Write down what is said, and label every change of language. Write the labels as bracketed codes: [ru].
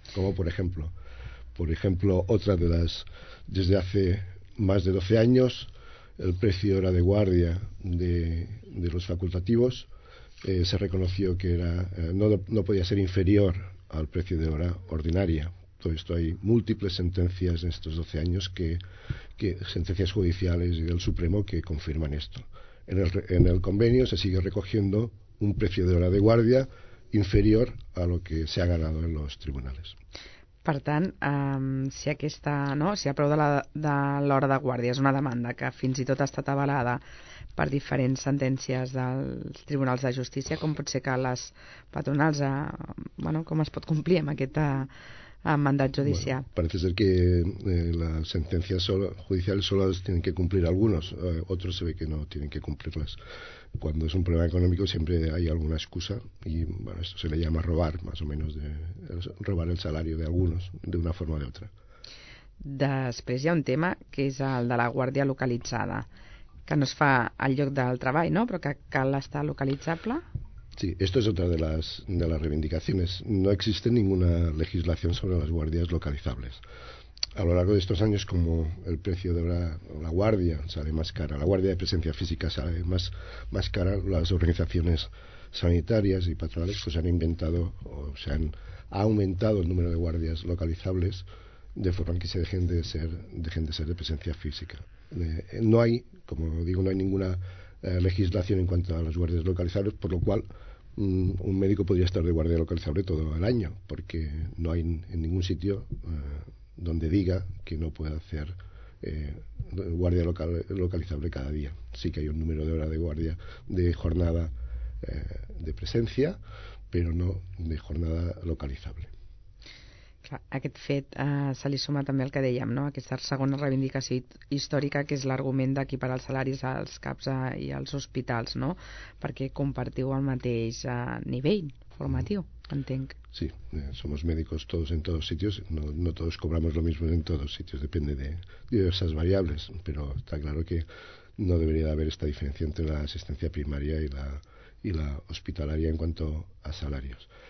[es] Como por ejemplo, otra de las, desde hace más de 12 años, el precio de hora de guardia de los facultativos se reconoció que era no podía ser inferior al precio de hora ordinaria. Esto hay múltiples sentencias en estos 12 años, que sentencias judiciales y del Supremo, que confirman esto. En el convenio se sigue recogiendo un precio de hora de guardia inferior a lo que se ha ganado en los tribunales. [ca] Per tant, si aquesta, no, si a prou de l'hora de guàrdia és una demanda que fins i tot ha estat avalada per diferents sentències dels tribunals de justícia, com pot ser que les patronals, com es pot complir amb aquesta a mandat judicial? [es] Bueno, parece ser que las sentencias judiciales solo tienen que cumplir algunos, otros se ve que no tienen que cumplirlas. Cuando es un problema económico siempre hay alguna excusa, y bueno, esto se le llama robar, más o menos, robar el salario de algunos, de una forma o de otra. [ca] Després hi ha un tema, que és el de la guàrdia localitzada, que no es fa al lloc del treball, no?, però que cal estar localitzable. [es] Sí, esto es otra de las reivindicaciones. No existe ninguna legislación sobre las guardias localizables. A lo largo de estos años, como el precio de la guardia sale más cara, la guardia de presencia física sale más cara, las organizaciones sanitarias y patronales pues han inventado o se han aumentado el número de guardias localizables de forma que se dejen de ser de presencia física. No hay, como digo, no hay ninguna legislación en cuanto a las guardias localizables, por lo cual un médico podría estar de guardia localizable todo el año, porque no hay en ningún sitio donde diga que no puede hacer guardia localizable cada día. Sí que hay un número de hora de guardia de jornada de presencia, pero no de jornada localizable. [ca] Clar, aquest fet se li suma també el que dèiem, no? Aquesta segona reivindicació històrica, que és l'argument d'equiparar els salaris als CAPs i als hospitals, no? Perquè compartiu el mateix nivell formatiu, entenc. [es] Sí, somos médicos todos en todos sitios, no todos cobramos lo mismo en todos sitios, depende de diversas variables, pero está claro que no debería haber esta diferencia entre la asistencia primaria y la hospitalaria en cuanto a salarios.